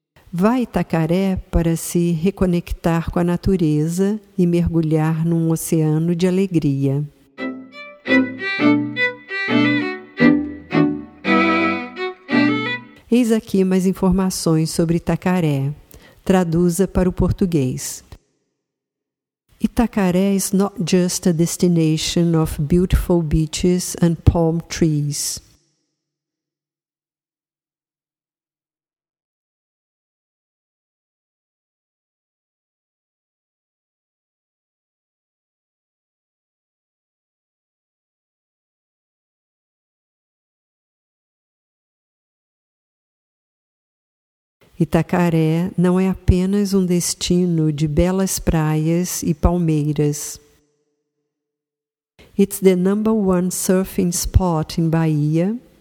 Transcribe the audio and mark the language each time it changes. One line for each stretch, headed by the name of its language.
Portuguese: Vá a Itacaré para se reconectar com a natureza e mergulhar num oceano de alegria. Eis aqui mais informações sobre Itacaré. Traduza para o português.
English: Itacaré is not just a destination of beautiful beaches and palm trees.
Portuguese: Itacaré não é apenas destino de belas praias e palmeiras.
English: It's the number one surfing spot in Bahia.